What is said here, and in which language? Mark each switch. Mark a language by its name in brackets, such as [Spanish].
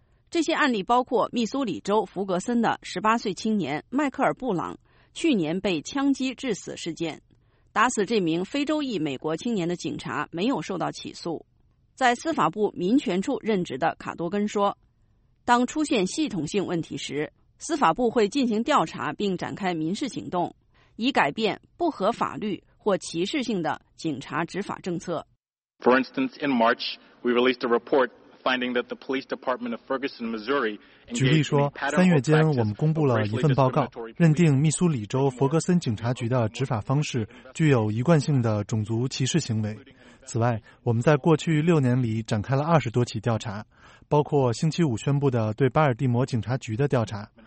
[Chinese] 这些案例包括密苏里州弗格森的18岁青年迈克尔·布朗去年被枪击致死事件，打死这名非洲裔美国青年的警察没有受到起诉。在司法部民权处任职的卡多根说，当出现系统性问题时，司法部会进行调查并展开民事行动，以改变不合法律或歧视性的警察执法政策。 [English] For instance, in March, we released a report finding that the police department of Ferguson, Missouri, [Chinese] 举例说，三月间我们公布了一份报告，认定密苏里州弗格森警察局的执法方式具有一贯性的种族歧视行为。此外，我们在过去六年里展开了20多起调查，包括星期五宣布的对巴尔的摩警察局的调查。